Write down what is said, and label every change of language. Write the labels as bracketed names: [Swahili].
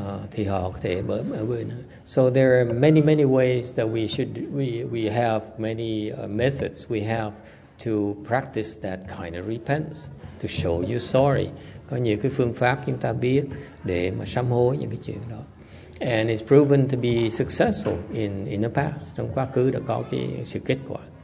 [Vietnamese] Thì họ có thể [English] so there are many, many ways that we should, we have many methods we have to practice that kind of repentance, to show you sorry. [Vietnamese] Có nhiều cái phương pháp chúng ta biết để mà sám hối những cái chuyện đó. [English] And it's proven to be successful in the past. [Vietnamese] Trong quá khứ đã có cái sự kết quả.